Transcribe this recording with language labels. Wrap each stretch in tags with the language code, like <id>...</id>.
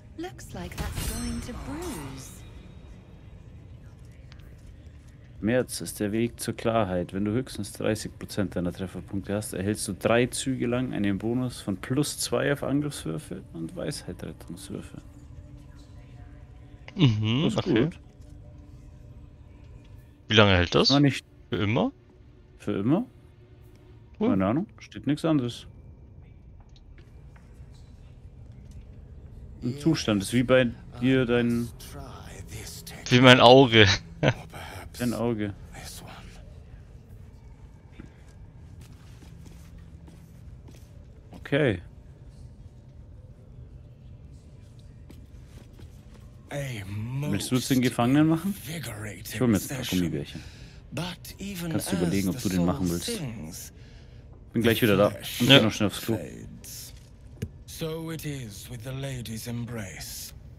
<en>Looks like that's going to bruise.</en> <de>Merz ist der Weg zur Klarheit. Wenn du höchstens 30% deiner Trefferpunkte hast, erhältst du 3 Züge lang einen Bonus von +2 auf Angriffswürfe und Weisheitsrettungswürfe. Mhm, das ist okay. Gut. Wie lange hält das? War nicht für immer? Für immer? Cool. Keine Ahnung, steht nichts anderes. Ein Zustand ist wie bei dir dein... Wie mein Auge. Dein Auge. Okay. Willst du es den Gefangenen machen? Ich hole mir jetzt ein paar Gummibärchen. Kannst du überlegen, ob du den machen willst. Bin gleich wieder da. Und geh noch schnell aufs Klo.</de> <en>So it is with the lady's embrace.</en>